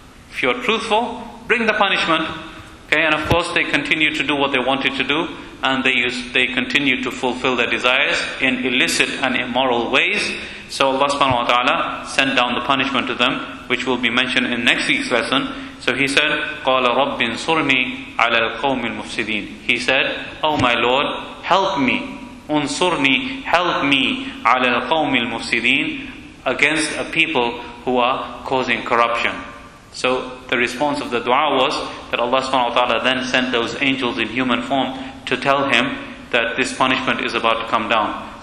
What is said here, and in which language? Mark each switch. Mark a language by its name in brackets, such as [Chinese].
[English] If you're truthful, bring the punishment. Okay, and of course they continued to do what they wanted to do, and they continued to fulfill their desires in illicit and immoral ways. So Allah subhanahu wa ta'ala sent down the punishment to them, which will be mentioned in next week's lesson. [Arabic] So he said, قَالَ رَبِّ انصُرْنِي عَلَى الْقَوْمِ الْمُفْسِدِينَ. [English] He said, oh my Lord, help me. انصُرْنِي, help me. [Arabic] عَلَى الْقَوْمِ الْمُفْسِدِينَ. [English] Against a people who are causing corruption. So the response of the dua was that Allah subhanahu wa ta'ala then sent those angels in human form to tell him that this punishment is about to come down.